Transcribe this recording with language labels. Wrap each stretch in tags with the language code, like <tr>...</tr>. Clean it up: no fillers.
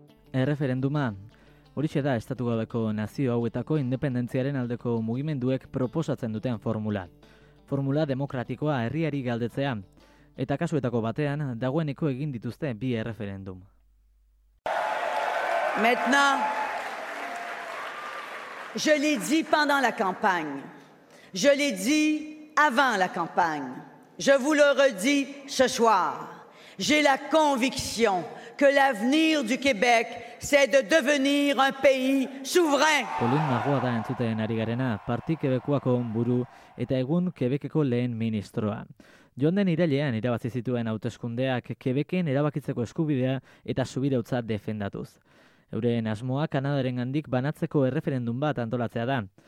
<eu>Erreferenduma. Horixe da estatu gabeko nazio hauetako independentziaren aldeko mugimenduek proposatzen duten formula. Formula demokratikoa herriari galdetzea, eta kasuetako batean dagoeneko egin dituzte bi erreferendum.</eu> <fr>Maintenant, je l'ai dit pendant la campagne, je l'ai dit avant la campagne, je vous le redis ce soir, j'ai la conviction que l'avenir du Québec, c'est de devenir un pays souverain.</fr> <eu>Pauline Marois da entzuten ari garena, Parti Quebecoako buru eta egun Quebeceko lehen ministroa. Joan den irailean irabazi zituen hauteskundeak Quebecen erabakitzeko eskubidea eta subirautza defendatuz. Euren asmoa Kanadarengandik banatzeko erreferendum bat antolatzea da.</eu>